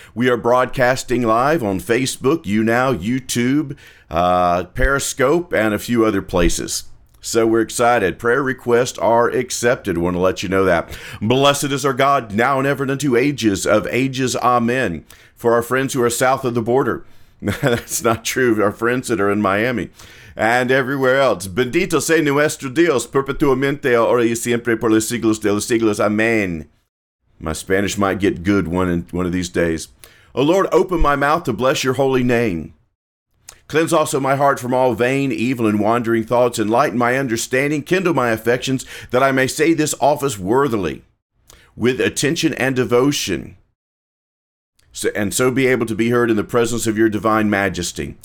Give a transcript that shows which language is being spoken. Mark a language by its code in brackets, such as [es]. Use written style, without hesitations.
[en] We are broadcasting live on Facebook, YouNow, YouTube, Periscope, and a few other places. So we're excited. Prayer requests are accepted. Want to let you know that. Blessed is our God, now and ever and unto ages of ages. Amen. For our friends who are south of the border. That's not true. Our friends that are in Miami and everywhere else. [es] Bendito sea nuestro Dios, perpetuamente, ahora y siempre, por los siglos. [en] Amen. My Spanish might get good one of these days. O Lord, open my mouth to bless your holy name. Cleanse also my heart from all vain, evil, and wandering thoughts. Enlighten my understanding. Kindle my affections, that I may say this office worthily, with attention and devotion, and so be able to be heard in the presence of your divine majesty.